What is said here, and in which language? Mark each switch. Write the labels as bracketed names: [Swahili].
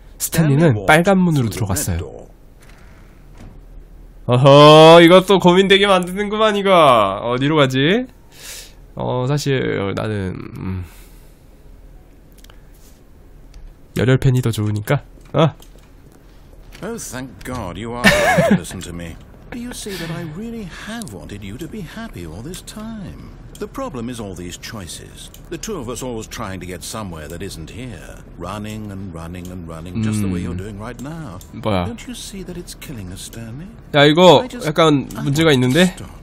[Korean] 스탠리는 빨간 문으로 들어갔어요. 어허, 이것도 고민되게 만드는구만 이거. 어디로 가지? 사실 나는 열혈 팬이 더 좋으니까. [English] 어. Oh, thank God you are to listen to me. Do you see that I really have wanted you to be happy all this time? The problem is all these choices. The two of us always trying to get somewhere that isn't here. Running and running and running just the way you're doing right now. [Korean] 뭐야? [English] Don't you see that it's killing us, Stanley? [Korean] 야, 이거 약간 문제가 있는데.